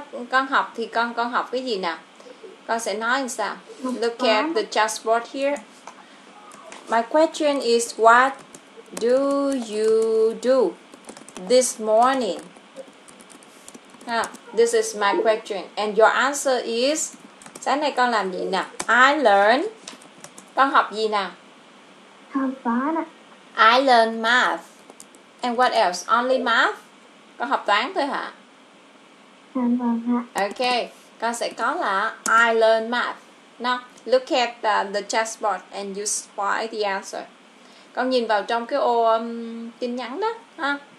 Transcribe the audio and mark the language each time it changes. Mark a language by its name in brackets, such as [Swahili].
[Vietnamese] Con học thì con học cái gì nào? Con sẽ nói làm sao? [English] Look at the chessboard here. My question is what do you do this morning? This is my question. And your answer is, [Vietnamese] sáng nay con làm gì nào? [English] I learn. [Vietnamese] Con học gì nào? Học toán [English] ạ. I learn math. And what else? Only math? [Vietnamese] Con học toán thôi hả? Vâng ạ. Okay. Con sẽ có là [English] I learn math. Now, look at the chessboard and you spy the answer. [Vietnamese] Con nhìn vào trong cái ô tin nhắn đó.